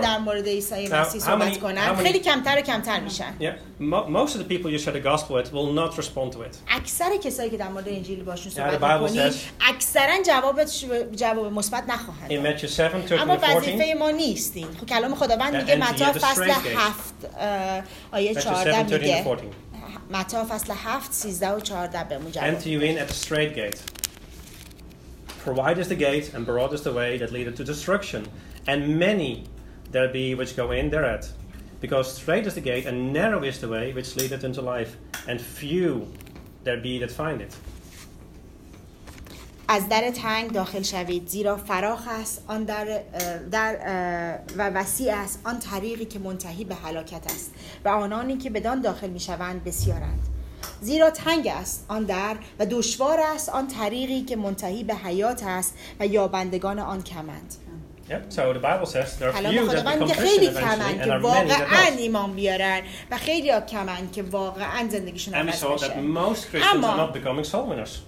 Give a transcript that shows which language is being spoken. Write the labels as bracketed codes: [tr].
[fa] در مورد عیسی مسیح صحبت کنن خیلی کمتر و کمتر میشن. [en] Most of the people you share the gospel with will not respond to it. [fa] اکثر کسایی که در مورد انجیل باشون صحبت میکنی اکثرا جواب مثبت نخواهند. [en] In Matthew 7:13-14. [fa] اما وظیفه ما نیست این. خب کلام خداوند میگه متی فصل 7 آیه 14 میگه. متا فصل 7 13 و 14 به مجرد [en] And to you in at the straight gate. For wide is the gate and broad is the way that leadeth to destruction, and many there be which go in thereat. Because straight is the gate and narrow is the way which leadeth unto life, and few there be that find it. [fa] از در تنگ داخل شوید، زیرا فراخ است آن در در و وسیع است آن طریقی که منتهی به هلاکت است و آنانی که بدان داخل میشوند بسیارند. زیرا تنگ است آن در و دشوار است آن طریقی که منتهی به حیات است و یابندگان آن کمند. [en] Yep. So the Bible says there are few that become Christian eventually, and are many that don't. [fa] و خیلی ها کمند که واقعاً زندگیشون عوض میشه. [en] And we saw that most Christians are not becoming soul winners.